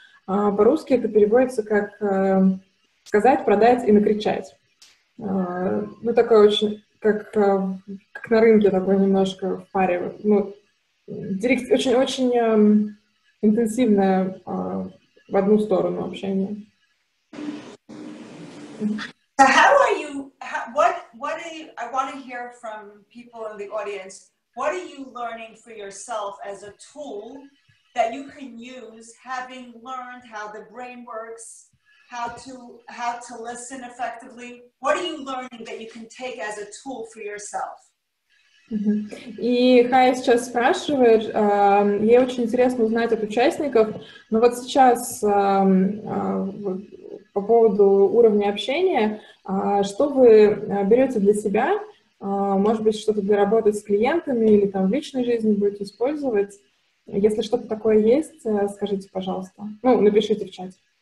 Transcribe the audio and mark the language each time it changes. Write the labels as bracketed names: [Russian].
[Russian] По-русски это переводится как сказать, продать и накричать. Ну, такое очень, как на рынке такое немножко в паре. Ну, очень-очень интенсивное в одну сторону общение. [English] So how are you, what are you, I want to hear from people in the audience, what are you learning for yourself as a tool that you can use, having learned how the brain works, how to listen effectively, what are you learning that you can take as a tool for yourself? [Russian] И Хая сейчас спрашивает, ей очень интересно узнать от участников, но вот сейчас по поводу уровня общения, что вы берете для себя, может быть, что-то для работы с клиентами или там в личной жизни будете использовать, если что-то такое есть, скажите, пожалуйста, ну, напишите в чате.